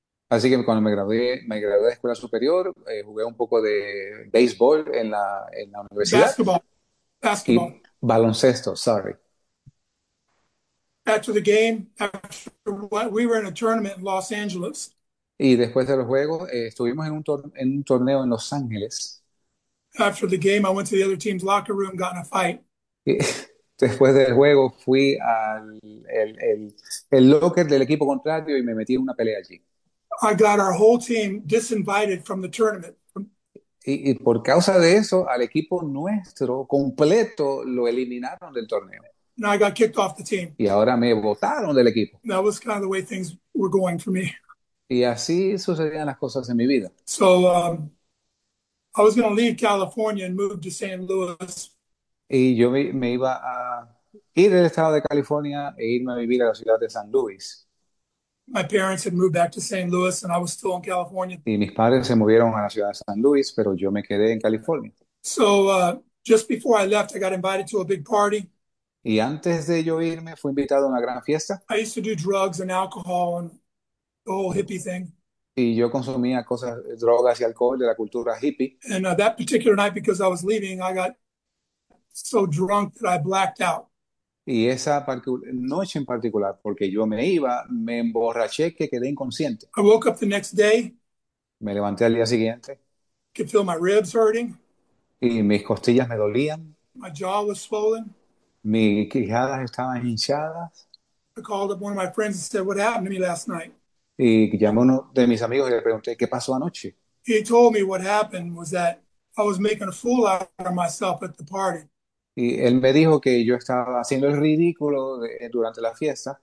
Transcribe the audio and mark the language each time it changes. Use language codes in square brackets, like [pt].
[es] Así que cuando me gradué de escuela superior, jugué un poco de béisbol en la universidad. [en] Basketball. [es] Y [en] Basketball. [es] baloncesto, [en] sorry. After the game, after what, we were in a tournament in Los Angeles. [es] Y después de los juegos, estuvimos en un torneo en Los Ángeles. [en] After the game, I went to the other team's locker room, got in a fight. [es] Y después del juego fui al el locker del equipo contrario y me metí en una pelea allí. [en] I got our whole team disinvited from the tournament. [es] Y por causa de eso, al equipo nuestro completo lo eliminaron del torneo. [en] And I got kicked off the team. [es] Y ahora me botaron del equipo. [en] That was kind of the way things were going for me. [es] Y así sucedían las cosas en mi vida. [en] I was going to leave California and move to San Luis. [es] Y yo me iba a ir del estado de California e irme a vivir a la ciudad de San Luis. [en] My parents had moved back to St. Louis and I was still in California. [es] Y mis padres se movieron a la ciudad de San Luis, pero yo me quedé en California. [en] Just before I left, I got invited to a big party. [es] Y antes de yo irme, fui invitado a una gran fiesta. [en] I used to do drugs and alcohol and the whole hippie thing. [es] Y yo consumía cosas, drogas y alcohol de la cultura hippie. [en] And that particular night, because I was leaving, I got so drunk that I blacked out. [es] Y esa noche en particular, porque yo me iba, me emborraché que quedé inconsciente. [en] I woke up the next day, [es] Me levanté al día siguiente [en] could feel my ribs hurting, [es] y mis costillas me dolían. [en] my jaw was swollen. [es] Mis quijadas estaban hinchadas. [en] I called up one of my friends and said, "What happened to me last night?" [es] Y llamé a uno de mis amigos y le pregunté, ¿qué pasó anoche? [en] He told me what happened was that I was making a fool out of myself at the party. It [es] Y él me dijo que yo estaba haciendo el ridículo durante la fiesta